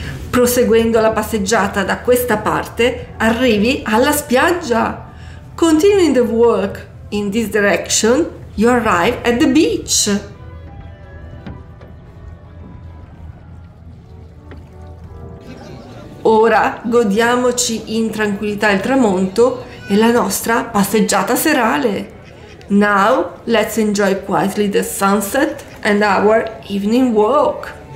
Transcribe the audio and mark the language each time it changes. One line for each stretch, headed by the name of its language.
Italian: Proseguendo la passeggiata da questa parte, arrivi alla spiaggia.
English: Continuing the walk in this direction, you arrive at the beach.
Italian: Ora godiamoci in tranquillità il tramonto e la nostra passeggiata serale.
English: Now, let's enjoy quietly the sunset and our evening walk.